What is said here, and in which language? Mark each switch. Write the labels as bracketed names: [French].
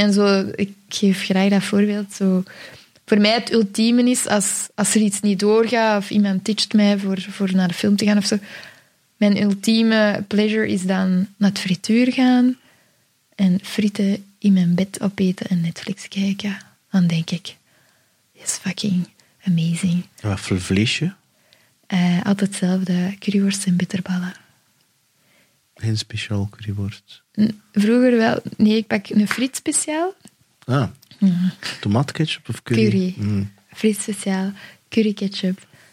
[Dutch] En zo, ik geef graag dat voorbeeld. Zo, voor mij het ultieme is, als er iets niet doorgaat of iemand titcht mij voor naar de film te gaan of zo. Mijn ultieme pleasure is dan naar het frituur gaan en frieten in mijn bed opeten en Netflix kijken. Dan denk ik, [English] it's fucking amazing. [Dutch] Wat voor vleesje? Altijd hetzelfde, currywurst en bitterballen. Geen speciaal currywurst? Vroeger wel. Nee, ik pak een friet speciaal. Ah. Mm. Tomatketchup of curry? Curry. Mm. Friet speciaal, curry ketchup.